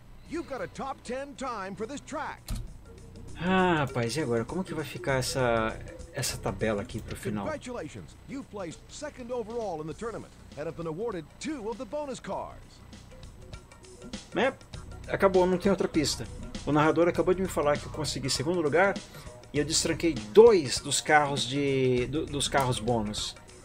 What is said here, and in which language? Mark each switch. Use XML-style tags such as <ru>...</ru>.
<en>You've got a top 10 time for this track.</en> <pt>Ah, rapaz, e agora? Como que vai ficar essa tabela aqui pro final?</pt> <en>Congratulations. You've placed second overall in the tournament and have been awarded two of the bonus cars.</en> <pt>É, acabou, não tem outra pista. O narrador acabou de me falar que eu consegui segundo lugar e eu destranquei dois dos carros dos carros bônus.</pt>